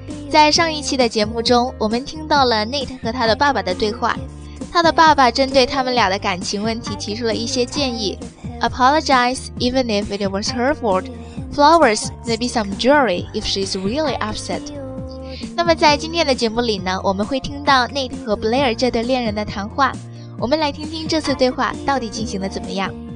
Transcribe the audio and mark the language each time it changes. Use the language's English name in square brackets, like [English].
[Chinese] 在上一期的节目中，我们听到了 Nate 和他的爸爸的对话，他的爸爸针对他们俩的感情问题提出了一些建议。 [English] Apologize even if it was her fault. Flowers, maybe some jewelry if she's really upset. [Chinese] 那么在今天的节目里呢，我们会听到 Nate 和 Blair 这对恋人的谈话，我们来听听这次对话到底进行得怎么样。